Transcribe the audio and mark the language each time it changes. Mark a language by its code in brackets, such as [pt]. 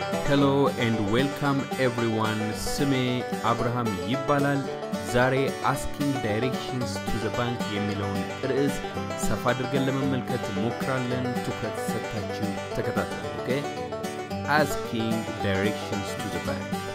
[en] Hello and welcome everyone. [am] ስሜ አብርሃም ይባላል። ዛሬ [en] asking directions to the bank [am] የሚለውን ርዕስ ሰፋ አድርገን ለመመልከት ሞክራለን። ትኩረት ሰጥታችሁ ተከታተሉ። ኦኬ? [en] Asking directions to the bank.